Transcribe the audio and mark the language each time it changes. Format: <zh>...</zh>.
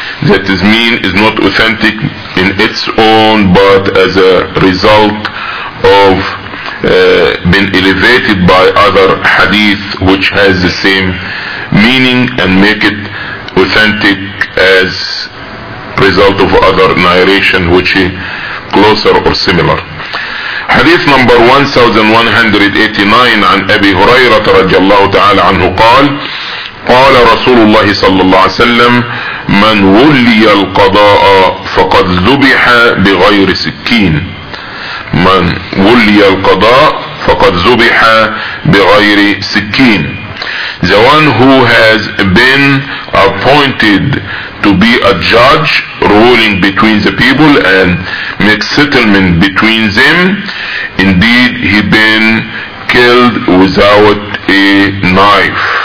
<en>That is mean is not authentic in its own, but as a result of been elevated by other hadith which has the same meaning and make it authentic as result of other narration which is closer or similar. Hadith number 1189</en> <ar>عن أبي هريرة رضي الله تعالى عنه قال قال رسول الله صلى الله عليه وسلم من ولي القضاء فقد ذبح بغير سكين. من ولي القضاء فقد ذبح بغير سكين.</ar> <en>The one who has been appointed to be a judge ruling between the people and make settlement between them, indeed he been killed without a knife.</en>